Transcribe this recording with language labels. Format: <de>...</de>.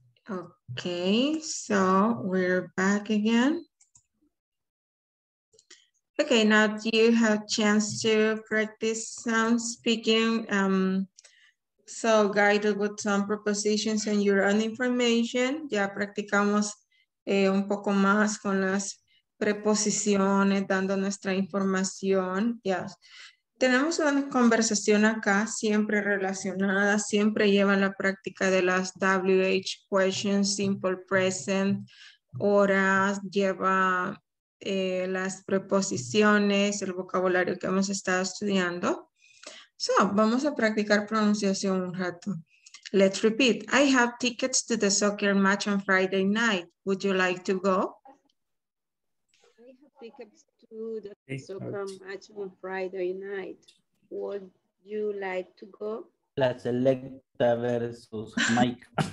<en>Okay, so we're back again. Okay, now you have chance to practice some speaking. So guided with some prepositions and your own information.</en> <es>Ya practicamos un poco más con las preposiciones, dando nuestra información.</es> <en>Yes.</en> <es>Tenemos una conversación acá, siempre relacionada, siempre lleva la práctica de las WH questions, simple present, horas, lleva las preposiciones, el vocabulario que hemos estado estudiando. So, vamos a practicar pronunciación un rato.</es> <en>Let's repeat. I have tickets to the soccer match on Friday night. Would you like to go?</en> <es>La Selecta versus Mike.</es>